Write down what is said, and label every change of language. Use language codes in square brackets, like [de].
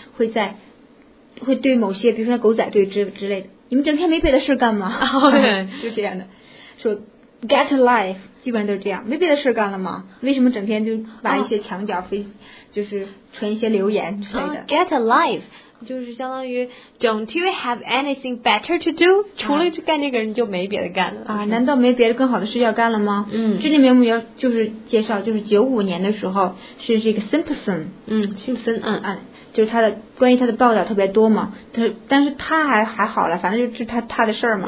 [zh] 会对某些，比如说狗仔队之类的，你们整天没别的事干吗？就这样的，说 [en] get a life， [zh] 基本上都是这样，没别的事干了吗？为什么整天就把一些墙角飞，就是传一些留言之类的 [en] ？Get a life。 [zh] 就是相当于 [en] don't you have anything better to do？ [zh] 除了去干这个，人就没别的干了啊？难道没别的更好的事要干了吗？嗯，这里面我们要就是介绍，就是1995年的时候是这个 Simpson，嗯 ，Simpson， 嗯啊，就是他的关于他的报道特别多嘛，但是他还好了，反正就是他的事儿嘛。